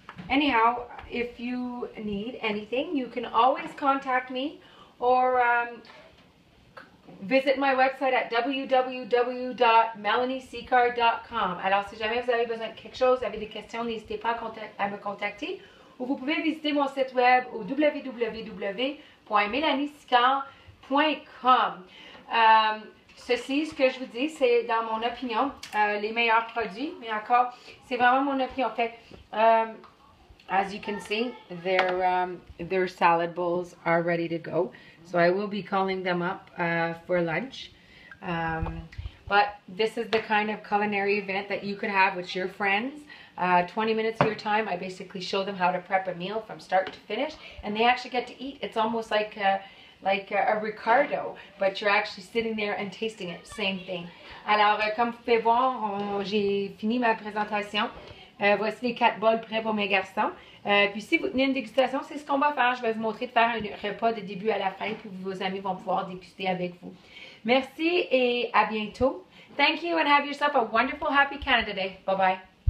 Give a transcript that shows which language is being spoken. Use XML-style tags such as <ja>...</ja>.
<en>Anyhow, if you need anything, you can always contact me or visit my website at www.melanieseacard.com.</en> <fr>Alors, si jamais vous avez besoin de quelque chose, avez des questions, n'hésitez pas à me contacter. Ou vous pouvez visiter mon site web au www.melanieseacard.com. Ceci, ce que je vous dis, c'est dans mon opinion, les meilleurs produits. Mais encore, c'est vraiment mon opinion. Fait,</fr> <en>as you can see, their salad bowls are ready to go. So I will be calling them up for lunch. But this is the kind of culinary event that you could have with your friends. 20 minutes of your time, I basically show them how to prep a meal from start to finish. And they actually get to eat. It's almost like a Ricardo, but you're actually sitting there and tasting it. Same thing.</en> <fr>Alors, comme vous pouvez voir, j'ai fini ma présentation. Voici les 4 bols prêts pour mes garçons. Puis si vous tenez une dégustation, c'est ce qu'on va faire. Je vais vous montrer de faire un repas de début à la fin, puis vos amis vont pouvoir déguster avec vous. Merci et à bientôt.</fr> <en>Thank you and have yourself a wonderful, happy Canada Day. Bye-bye.</en>